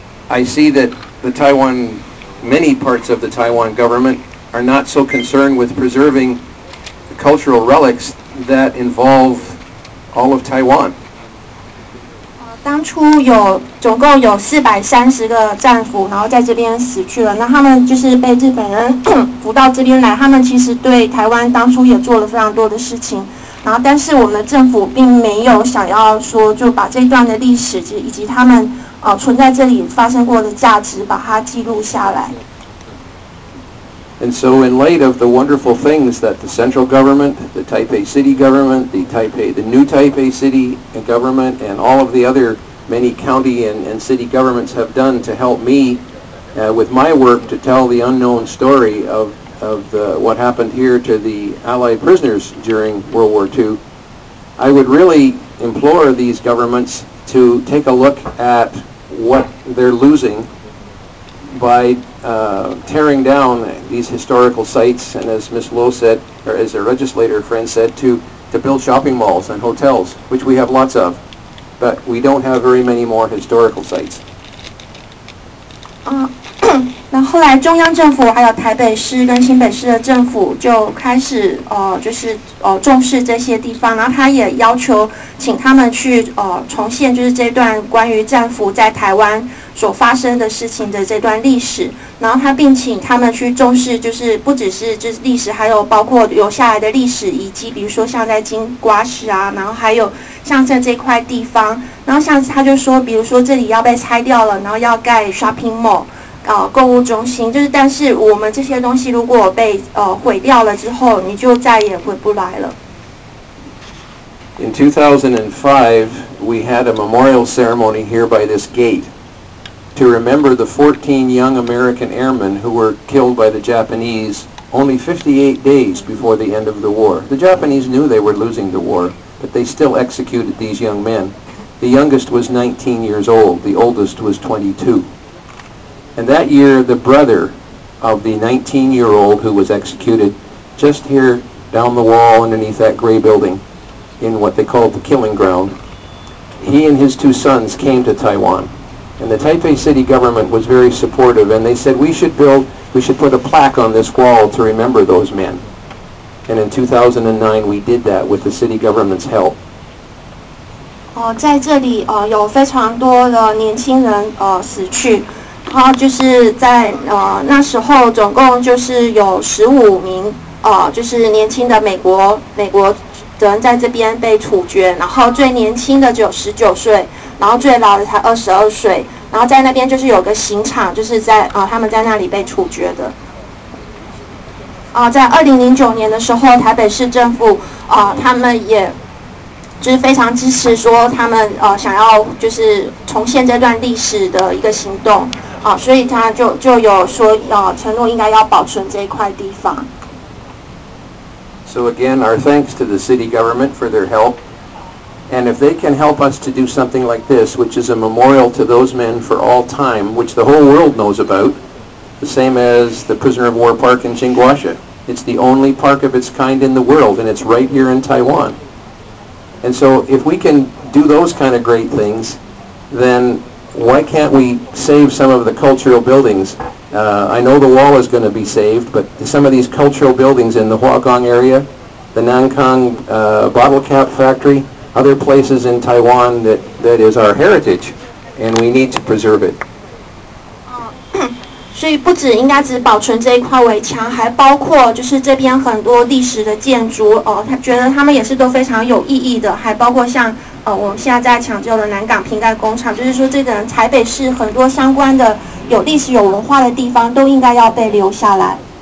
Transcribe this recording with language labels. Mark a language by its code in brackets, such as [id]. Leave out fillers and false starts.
[en] I see that the Taiwan, many parts of the Taiwan government are not so concerned with preserving the cultural relics that involve all of Taiwan. [zh] 当初有总共有430个战俘，然后在这边死去了。那他们就是被日本人扶到这边来。他们其实对台湾当初也做了非常多的事情。然后，但是我们政府并没有想要说就把这段的历史以及他们存在这里发生过的价值把它记录下来。 [en] And so in light of the wonderful things that the central government, the Taipei city government, the new Taipei city government, and all of the other many county and city governments have done to help me with my work to tell the unknown story of what happened here to the Allied prisoners during World War II, I would really implore these governments to take a look at what they're losing by tearing down these historical sites, and as Ms. Lo said, or as a legislator friend said, to build shopping malls and hotels, which we have lots of, but we don't have very many more historical sites. [zh] 那后来中央政府还有台北市跟新北市的政府就开始重视这些地方，然后他也要求请他们去重现就是这段关于战俘在台湾所发生的事情的这段历史，然后他并请他们去重视就是不只是就是历史，还有包括留下来的历史遗迹，比如说像在金瓜石啊，然后还有像在这块地方，然后像他就说比如说这里要被拆掉了，然后要盖 shopping mall购物中心，就是但是我们这些东西如果被毁掉了之后，你就再也回不来了。 [en] In 2005, we had a memorial ceremony here by this gate to remember the 14 young American airmen who were killed by the Japanese only 58 days before the end of the war. The Japanese knew they were losing the war, but they still executed these young men. The youngest was 19 years old. The oldest was 22. And that year, the brother of the 19-year-old who was executed just here down the wall underneath that gray building in what they called the killing ground, he and his two sons came to Taiwan. And the Taipei city government was very supportive, and they said, we should put a plaque on this wall to remember those men. And in 2009, we did that with the city government's help. [zh] 在这里有非常多的年轻人死去。然后就是在那时候，总共就是有15名就是年轻的美国人在这边被处决，然后最年轻的只有19岁，然后最老的才22岁，然后在那边就是有个刑场，就是在他们在那里被处决的。在2009年的时候，台北市政府他们也就是非常支持说他们想要就是重现这段历史的一个行动。所以他就有说承诺应该要保存这一块地方。 [en] So again, our thanks to the city government for their help. And if they can help us to do something like this, which is a memorial to those men for all time, which the whole world knows about, the same as the Prisoner of War Park in Tsinghuaxia. It's the only park of its kind in the world, and it's right here in Taiwan. And so if we can do those kind of great things, thenWhy can't we save some of the cultural buildings? I know the wall is going to be saved, but some of these cultural buildings in the Huagong area, the Nankang bottle cap factory, other places in Taiwan that is our heritage, and we need to preserve it. [zh] 所以不只应该只保存这一块围墙，还包括就是这边很多历史的建筑他觉得他们也是都非常有意义的，还包括像我们现在在抢救的南港瓶盖工厂，就是说这个台北市很多相关的有历史有文化的地方都应该要被留下来。